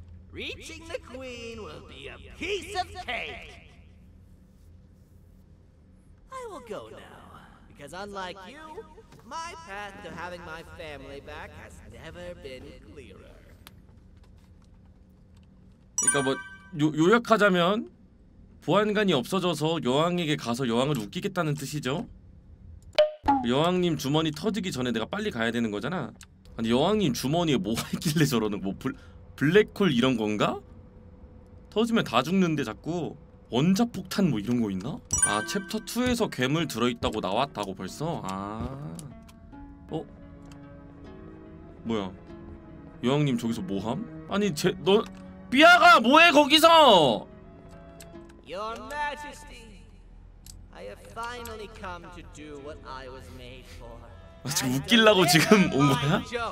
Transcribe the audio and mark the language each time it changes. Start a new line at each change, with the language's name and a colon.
English: Reaching the queen will be a piece of cake. I will go now, because unlike you, my path to having my family back has never been clearer.
Korean: 그러니까 뭐 요약하자면 보안관이 없어져서 여왕에게 가서 여왕을 웃기겠다는 뜻이죠. 여왕님 주머니 터지기 전에 내가 빨리 가야 되는 거잖아. 근데 여왕님 주머니에 뭐가 있길래 저러는 뭐 불 블랙홀 이런 건가? 터지면 다 죽는데 자꾸 원자폭탄 뭐 이런 거 있나? 아 챕터 2에서 괴물 들어있다고 나왔다고 벌써? 아 어? 뭐야 여왕님 저기서 뭐함? 아니 제 너 삐아가 뭐해 거기서!
English: Your Majesty, I have finally come to do what I was made for.
Korean: 아 지금 웃기려고 지금 온 거야?